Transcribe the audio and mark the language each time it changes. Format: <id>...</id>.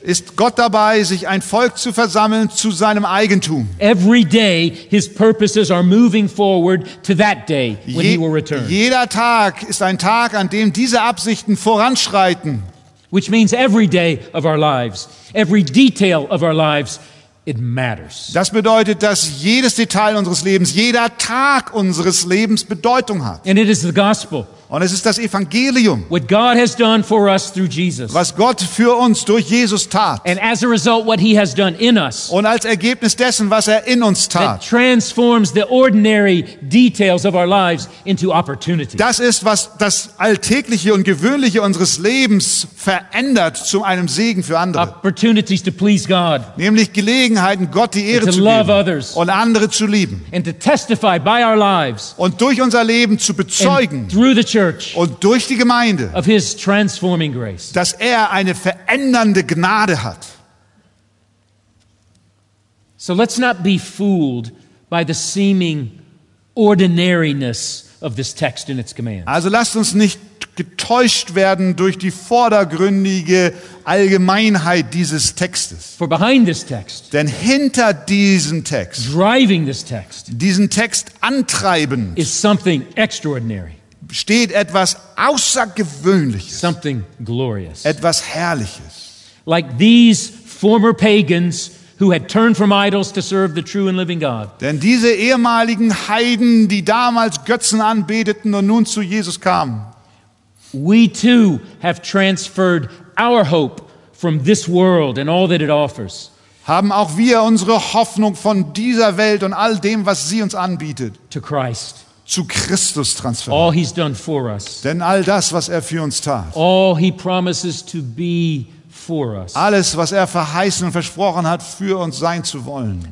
<de>Ist Gott dabei, sich ein Volk zu versammeln zu seinem Eigentum.</de> <en>Every day his purposes are moving forward to that day when he will return.</en> <de>Jeder Tag ist ein Tag, an dem diese Absichten voranschreiten.</de> <en>Which means every day of our lives, every detail of our lives, it matters.</en> <de>Das bedeutet, dass jedes Detail unseres Lebens, jeder Tag unseres Lebens Bedeutung hat.</de> <en>And it is the gospel.</en> <de>Und es ist das Evangelium.</de> <en>What God has done for us through Jesus.</en> <de>Was Gott für uns durch Jesus tat.</de> <en>And as a result, what he has done in us.</en> <de>Und als Ergebnis dessen, was in uns tat.</de> <en>That transforms the ordinary details of our lives into opportunity.</en> <de>Das ist, was das Alltägliche und Gewöhnliche unseres Lebens verändert zu einem Segen für andere.</de> <en>Opportunities to please God.</en> <de>Nämlich Gelegenheiten, Gott die Ehre zu geben.</de> <en>To love others.</en> <de>Und andere zu lieben.</de> <en>And to testify by our lives.</en> <de>Und durch unser Leben zu bezeugen.</de> <en>And through the church</en> <de>und durch die Gemeinde,</de> <en>of his transforming grace,</en> <de>dass eine verändernde Gnade hat.</de> <en>So let's not be fooled by the seeming ordinariness of this text and its commands.</en> <de>Also lasst uns nicht getäuscht werden durch die vordergründige Allgemeinheit dieses Textes.</de> <en>For behind this text,</en> <de>denn hinter diesem Text,</de> <en>driving this text,</en> <de>diesen Text antreibend,</de> <en>is something extraordinary.</en> <de>Steht etwas Außergewöhnliches.</de> <en>Something glorious.</en> <de>Etwas Herrliches.</de> <en>Like these former pagans who had turned from idols to serve the true and living God.</en> <de>Denn diese ehemaligen Heiden, die damals Götzen anbeteten und nun zu Jesus kamen.</de> <en>We too have transferred our hope from this world and all that it offers.</en> <de>Haben auch wir unsere Hoffnung von dieser Welt und all dem, was sie uns anbietet.</de> <en>To Christ.</en> <de>Zu Christus transferiert.</de> <en>All he's done for us.</en> <de>Denn all das, was für uns tat.</de> <en>All he promises to be for us.</en> <de>Alles, was verheißen und versprochen hat, für uns sein zu wollen.</de>